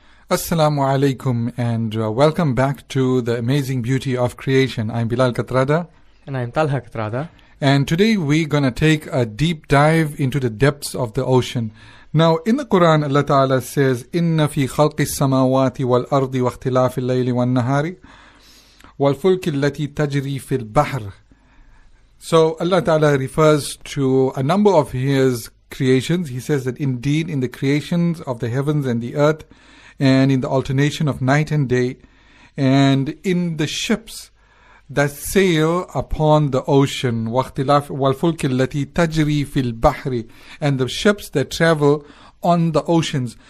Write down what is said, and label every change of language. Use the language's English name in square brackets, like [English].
[English] Assalamu alaikum and welcome back to The Amazing Beauty of Creation. I'm Bilal Katrada. And I'm Talha Katrada. And today we're going to take a deep dive into the depths of the ocean. Now, in the Quran, Allah Ta'ala says, [Arabic] إِنَّ فِي خَلْقِ السَّمَاوَاتِ وَالْأَرْضِ وَاخْتِلَافِ اللَّيْلِ وَالنَّهَارِ وَالْفُلْكِ الَّتِي تَجْرِي فِي الْبَحْرِ. [English] So Allah Ta'ala refers to a number of His creations. He says that indeed in the creations of the heavens and the earth, and in the alternation of night and day, and in the ships that sail upon the ocean, [Arabic] وَالْفُلْكِ الَّتِي تَجْرِي فِي الْبَحْرِ, [English] and the ships that travel on the oceans.